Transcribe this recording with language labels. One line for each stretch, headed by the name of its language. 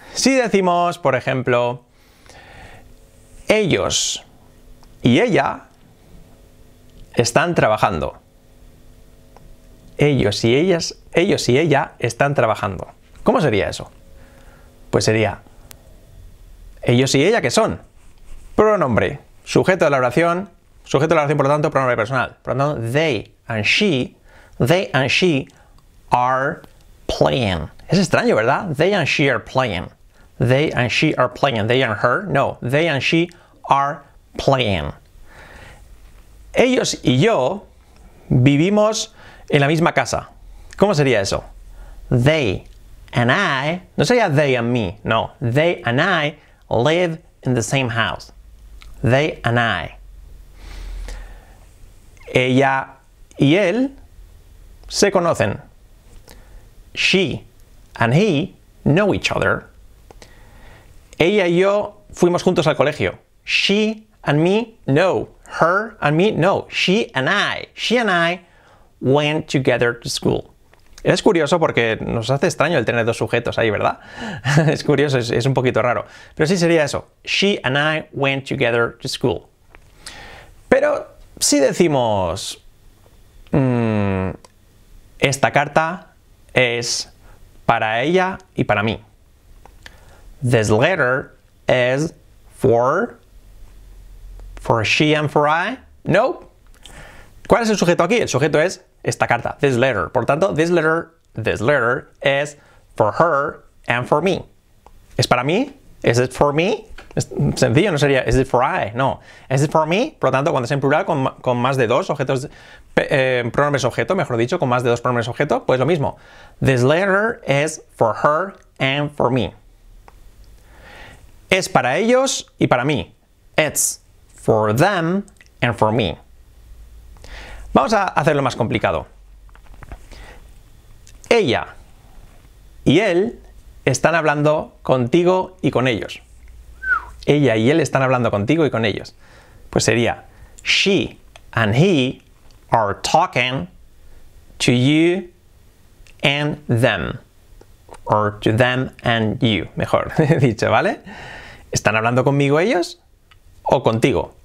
Spanish: Si decimos, por ejemplo, ellos y ella están trabajando. Ellos y ella están trabajando. ¿Cómo sería eso? Pues sería ellos y ella, ¿qué son? Pronombre, sujeto de la oración, sujeto de la oración, por lo tanto, pronombre personal. Por lo tanto,
English: they and she are playing.
Spanish: Es extraño, ¿verdad?
English: They and she are playing. They and she are playing. They and her, no. They and she are playing.
Spanish: Ellos y yo vivimos en la misma casa. ¿Cómo sería eso?
English: They and I,
Spanish: no sería
English: they and me, no. They and I live in the same house. They and I.
Spanish: Ella y él se conocen.
English: She and he know each other.
Spanish: Ella y yo fuimos juntos al colegio.
English: She and me, no. Her and me, no. She and I. She and I went together to school.
Spanish: Es curioso porque nos hace extraño el tener dos sujetos ahí, ¿verdad? Es curioso, es un poquito raro. Pero sí sería eso.
English: She and I went together to school.
Spanish: Pero si decimos, esta carta es para ella y para mí.
English: This letter is for she and for I. No.
Spanish: ¿Cuál es el sujeto aquí? El sujeto es esta carta,
English: this letter.
Spanish: Por tanto,
English: this letter is for her and for me.
Spanish: ¿Es para mí?
English: Is it for me?
Spanish: Es sencillo, no sería
English: is it for I, no. Is it for me?
Spanish: Por lo tanto, cuando es en plural, con más de dos objetos, pronombres objeto, mejor dicho, con más de dos pronombres objeto, pues lo mismo.
English: This letter is for her and for me.
Spanish: Es para ellos y para mí.
English: It's for them and for me.
Spanish: Vamos a hacerlo más complicado. Ella y él están hablando contigo y con ellos. Ella y él están hablando contigo y con ellos. Pues sería
English: she and he are talking to you and them. Or to them and you,
Spanish: mejor dicho, ¿vale? ¿Están hablando conmigo ellos o contigo?